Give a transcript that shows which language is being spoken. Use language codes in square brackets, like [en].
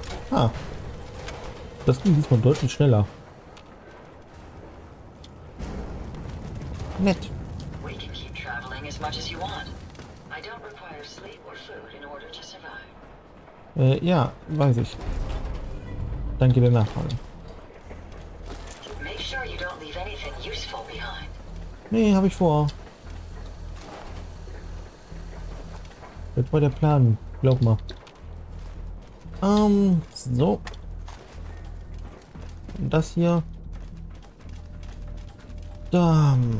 [de] Ah. Das ging diesmal deutlich schneller. Nett. [en] We can keep traveling as much as you want. I don't require sleep or food in order to survive. [de] Ja, weiß ich. Danke der Nachfrage. [en] Make sure you don't leave anything useful behind. [de] Nee, hab ich vor. Das war der Plan, glaub mal. So. Und das hier. Da.